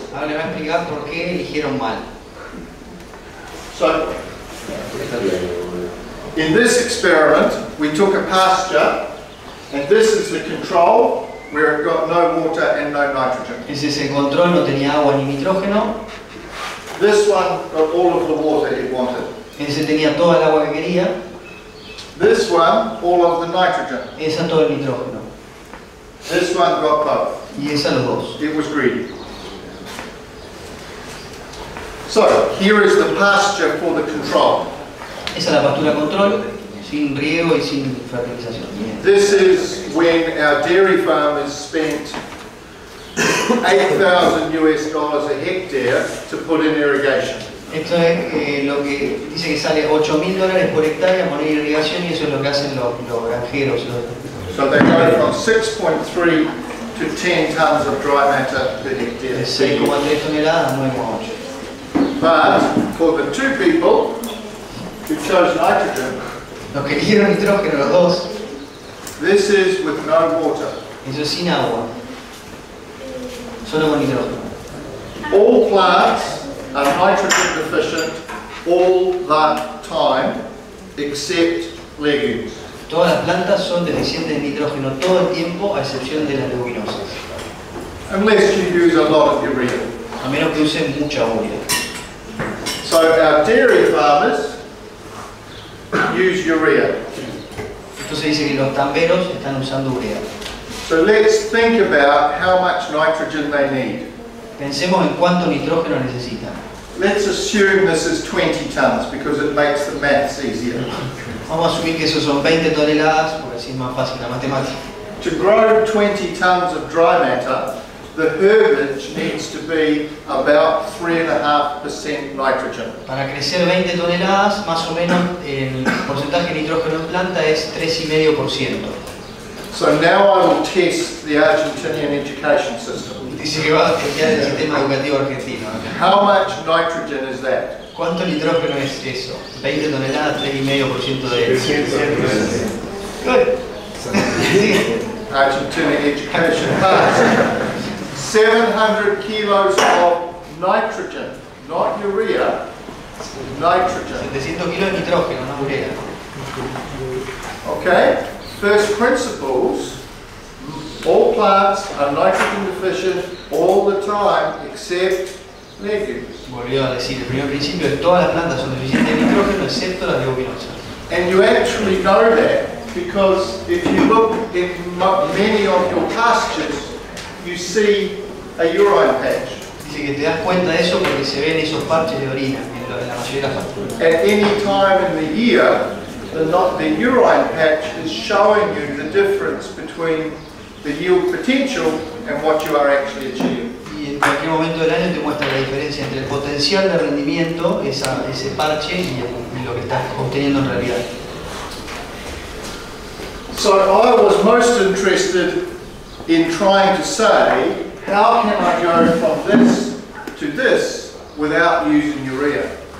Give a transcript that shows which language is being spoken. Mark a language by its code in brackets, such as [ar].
[es] Ahora le voy a explicar por qué eligieron mal. [en] So, in this experiment, we took a pasture, and this is the control where it got no water and no nitrogen. [es] Es ese control, no tenía agua ni nitrógeno. [en] This one got all of the water it wanted. [es] Ese tenía toda el agua que quería. [en] This one, all of the nitrogen. [es] Esa todo el nitrógeno. [en] This one got both. [es] Y esa los dos. [en] It was greedy. So, here is the pasture for the control. [es] Esa es la pastura control, sin riego y sin fertilización. [en] This is when our dairy farmers spent $8,000 a hectare to put in irrigation. [es] Esto es lo que dice que sale $8,000 por hectárea a poner irrigación, y eso es lo que hacen los granjeros. [en] So they go from 6.3 to 10 tons of dry matter per hectare. [es] 6.3 toneladas, 9.8. [en] But for the two people who chose nitrogen, [es] los que eligieron nitrógeno, los dos, [en] this is with no water. [es] Eso es sin agua. Solo con nitrógeno. [en] All plants are nitrogen deficient all the time, except legumes. [es] Todas las plantas son deficientes de nitrógeno todo el tiempo, a excepción de las leguminosas. [en] Unless you use a lot of urea. [es] A menos que usen mucha urea. [en] So our dairy farmers use urea. [es] Entonces dice que los tamberos están usando urea. [en] So let's think about how much nitrogen they need. [es] Pensemos en cuánto nitrógeno necesitan. [en] Let's assume this is 20 tons because it makes the maths easier. [es] Vamos a asumir que esos son 20 toneladas porque así es más fácil la matemática. [en] To grow 20 tons of dry matter, the herbage needs to be about 3.5% nitrogen. [es] Para crecer 20 toneladas, más o menos el porcentaje de nitrógeno en planta es 3.5%. [en] So now I will test the Argentinian education system. [es] Dice que va a testear el sistema educativo argentino. [en] How much nitrogen is that? [es] ¿Cuánto nitrógeno es eso? 20 toneladas, 3.5% de [en] eso. Argentinian education class. 700 kilos of nitrogen, not urea, nitrogen. [es] 700 kilos de nitrógeno, no urea. [en] Okay, first principles, all plants are nitrogen deficient all the time, except legumes. [es] Volvió a decir, el primer principio es todas las plantas son deficientes de nitrógeno, excepto las leguminosas. [en] And you actually know that because if you look in many of your pastures, you see a urine patch. [es] Dice que te das cuenta de eso porque se ven esos parches de orina en la mayoría de las pasturas. [en] At any time in the year, the urine patch is showing you the difference between the yield potential and what you are actually achieving. [es] Y en cualquier momento del año te muestra la diferencia entre el potencial de rendimiento, ese parche, y lo que estás obteniendo en realidad. [en] So I was most interested in trying to say, how can I go from this to this without using urea?